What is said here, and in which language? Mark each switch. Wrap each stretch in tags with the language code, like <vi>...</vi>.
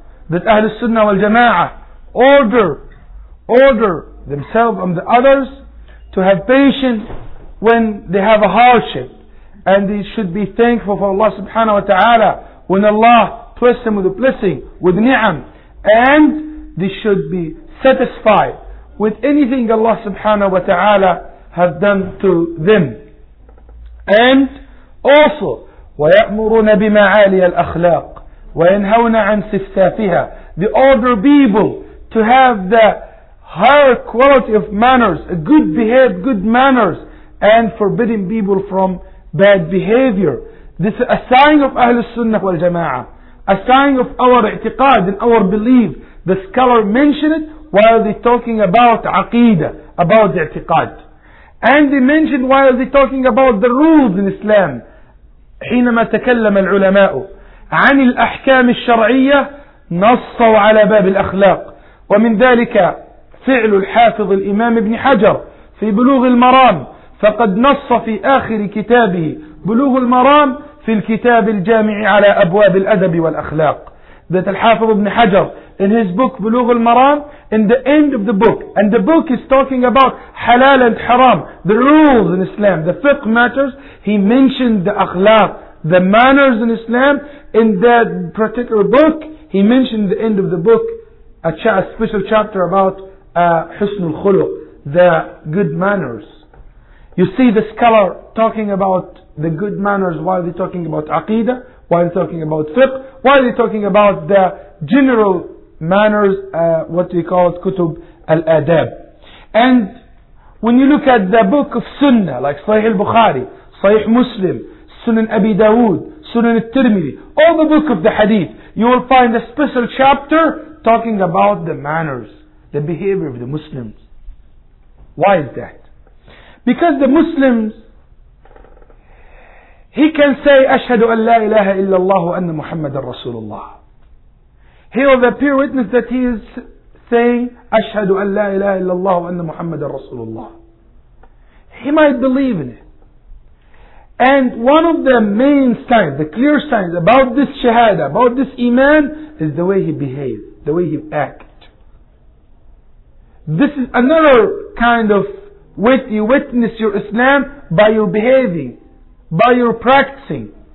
<en>That أهل السنة والجماعة order themselves and the others to have patience when they have a hardship, and they should be thankful for Allah subhanahu wa ta'ala when Allah twists them with a blessing, with ni'am, and they should be satisfied with anything Allah subhanahu wa ta'ala has done to them. And also</en> <ar>وَيَأْمُرُونَ بِمَعَالِيَ الْأَخْلَاقِ وَيَنْهَوْنَ عَنْ سِفْسَافِهَا.</ar> <en>They order people to have the higher quality of manners, a good behavior, good manners, and forbidding people from bad behavior. This is a sign of Ahlul Sunnah wal Jama'ah, a sign of our i'tiqad and our belief. The scholar mentioned it while they're talking about aqidah, about the i'tiqad. And they mentioned while they're talking about the rules in Islam.</en> <ar>حينما تكلم العلماء عن الأحكام الشرعية نصوا على باب الأخلاق، ومن ذلك فعل الحافظ الإمام ابن حجر في بلوغ المرام، فقد نص في آخر كتابه بلوغ المرام في الكتاب الجامع على أبواب الأدب والأخلاق.</ar> <en>ذات الحافظ ابن حجر in his book بلوغ المرام, in the end of the book, and the book is talking about halal and haram, the rules in Islam, the fiqh matters, he mentioned the akhlaq, the manners in Islam. In that particular book, he mentioned the end of the book, a special chapter about husnul khuluq, the good manners. You see the scholar talking about the good manners while they're talking about aqidah, while they're talking about fiqh, while they're talking about the general manners, what we call it, kutub al-adab. And when you look at the book of sunnah, like Sahih al-Bukhari, Sahih Muslim, Sunan Abi Dawood, Sunan al-Tirmidhi, all the book of the hadith, you will find a special chapter talking about the manners, the behavior of the Muslims. Why is that? Because the Muslims, he can say,</en> <ar>أشهد أن لا إله إلا الله وأن محمد رسول الله.</ar> <en>He will appear witness that he is saying,</en> <ar>أشهد أن لا إله إلا الله وأن محمد رسول الله.</ar> <en>He might believe in it. And one of the main signs, the clear signs about this shahada, about this iman, is the way he behaves, the way he acts. This is another kind of way you witness your Islam, by your behaving, by your practicing.</en>